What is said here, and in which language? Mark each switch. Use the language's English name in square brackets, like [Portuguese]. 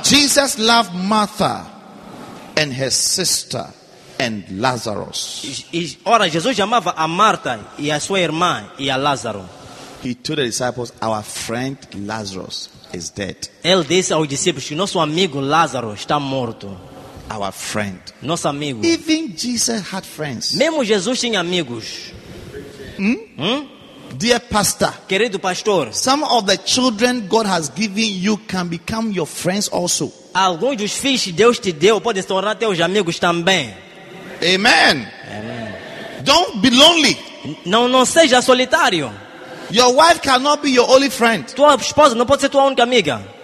[English] Jesus loved Martha and her sister and Lazarus. [Portuguese] Ora, Jesus amava a Marta e a sua irmã e a Lázaro. [English] He told the disciples, our friend Lazarus is dead. [Portuguese] Ele disse aos discípulos, nosso amigo Lázaro está morto. [English] Our friend. [Portuguese] Nosso amigo. [English] Even Jesus had friends. [Portuguese] Mesmo Jesus tinha amigos. [English] Dear pastor. [Portuguese] Querido pastor. [English] Some of the children God has given you can become your friends also. [Portuguese] Alguns dos filhos que Deus te deu podem se tornar teus amigos também. Amen. Amen. [English] Don't be lonely. [Portuguese] Não seja solitário. [English] Your wife cannot be your only friend. [Portuguese] Tua esposa não pode ser tua única amiga.